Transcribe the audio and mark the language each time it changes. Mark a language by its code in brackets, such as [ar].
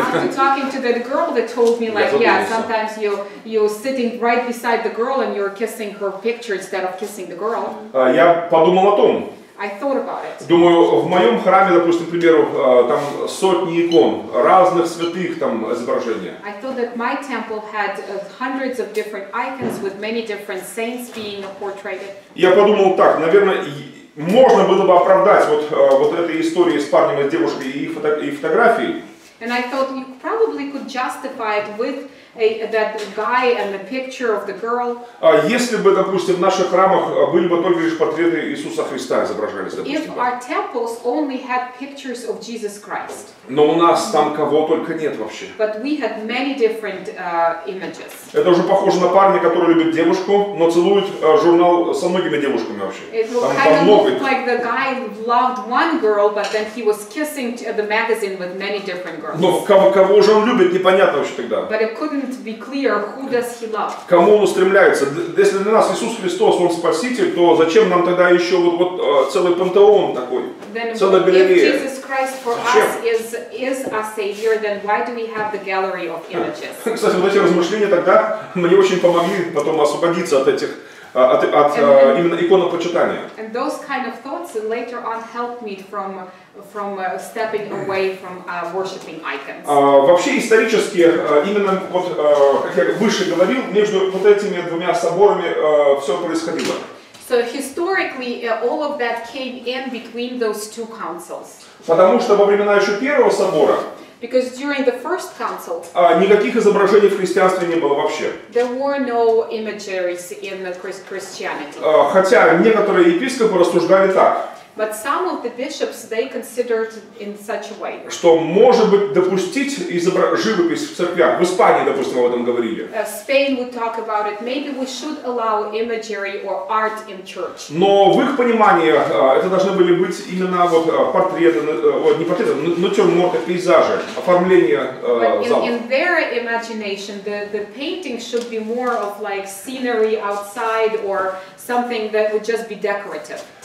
[en] And after talking to that girl that told me, like, yeah, sometimes you're sitting right beside the girl and you're kissing her picture instead of kissing the girl. [ru] Я подумал о том. [en] I thought about it. [ru] Думаю, в моем храме, допустим, к примеру, там сотни икон, разных святых там изображения. [en] I thought that my temple had hundreds of different icons with many different saints being portrayed. [ru] Я подумал так, наверное, можно было бы оправдать вот этой историей с парнем и девушкой и фотографией. [en] And I thought you probably could justify it with that guy and the picture of the girl. [ru] Если бы, допустим, в наших храмах были бы только лишь портреты Иисуса Христа изображались, допустим. [en] If our temples only had pictures of Jesus Christ. [ru] Но у нас там кого только нет вообще. [en] But we had many different images. [ru] Это уже похоже на парня, который любит девушку, но целует журнал со многими девушками вообще. [en] It kind of looked like the guy loved one girl, but then he was kissing the magazine with many different girls. [ru] Но кого же он любит, непонятно вообще тогда. [en] To be clear, who does he love? [ru] Кому он устремляется? Если для нас Иисус Христос, Он Спаситель, то зачем нам тогда еще вот целый пантеон такой, целая галерея? [en] If Jesus Christ for us is our Savior, then why do we have the gallery of images? [ru] Кстати, вот эти размышления тогда мне очень помогли потом освободиться от этих именно иконопочитания. [en] And those kind of thoughts later on helped me from stepping away from worshiping icons. [ru] Вообще исторически именно вот как я выше говорил, между вот этими двумя соборами все происходило. [en] So historically all of that came in between those two councils. [ru] Потому что во времена еще первого собора. [en] Because during the first council, [ru] никаких изображений в христианстве не было вообще. [en] There were no images in the Christianity. [ru] Хотя некоторые епископы рассуждали так. [en] But some of the bishops they considered in such a way. [ru] Что может быть допустить живопись в церквях? В Испании, допустим, об этом говорили. [en] Spain would talk about it. Maybe we should allow imagery or art in church. [ru] Но в их понимании это должны были быть именно вот портреты, не портреты, натюрморты, пейзажи, оформление зала. [en] In their imagination, the painting should be more of like scenery outside or something that would just be decorative.